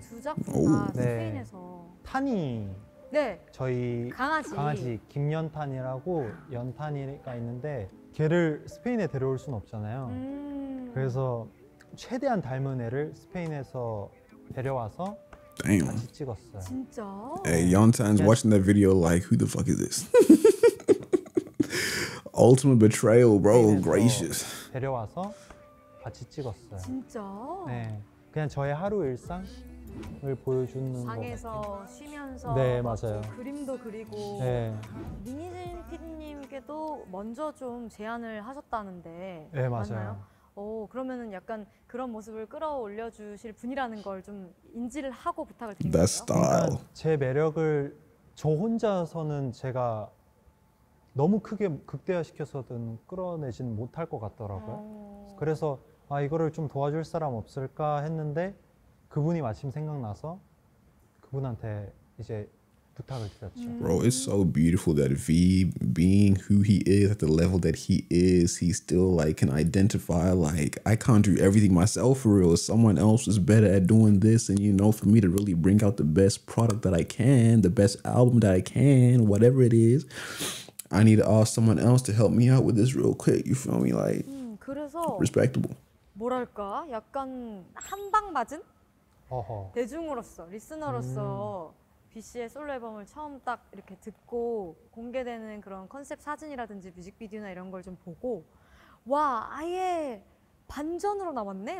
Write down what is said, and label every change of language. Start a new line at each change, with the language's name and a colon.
Korean: 두 작품 다 스페인에서 타니 네. 저희 강아지 김연탄이라고 연탄이가 있는데 걔를 스페인에 데려올 순 없잖아요. 그래서 최대한 닮은 애를 스페인에서 데려와서
English: Damn.
Korean: 같이 찍었어요. 진짜?
English: Hey, Yontan's watching that video like who the fuck is this? Ultimate betrayal, bro. Gracious.
Korean: 데려와서 같이 찍었어요. 진짜? 네. 그냥 저의 하루 일상을 보여주는 방에서 쉬면서 네, 맞아요. 그림도 그리고 네. 미니진 PD님 씨에게도 먼저 좀 제안을 하셨다는데. 네, 맞아요. 맞나요? 오, 그러면은 약간 그런 모습을 끌어올려 주실 분이라는 걸 좀 인지를 하고 부탁을 드릴게요. 제 매력을 저 혼자서는 제가 너무 크게 극대화시켜서든 끌어내진 못할 것 같더라고요. 그래서 아, 이거를 좀 도와줄 사람 없을까 했는데 그분이 마침 생각나서 그분한테 이제 부탁을 드렸죠.
English: Bro, it's so beautiful that V, being who he is at the level that he is, he still like can identify like I can't do everything myself for real. Someone else is better at doing this, and you know, for me to really bring out the best product that I can, the best album that I can, whatever it is, I need to ask someone else to help me out with this real quick. You feel me? Like,
Korean: 그래서
English: respectable.
Korean: 뭐랄까, 약간 한방 맞은 대중으로서, 리스너로서. B씨의 솔로 앨범을 처음 딱 이렇게 듣고 공개되는 그런 컨셉 사진이라든지 뮤직비디오나 이런 걸 좀 보고 와 아예 반전으로 나왔네?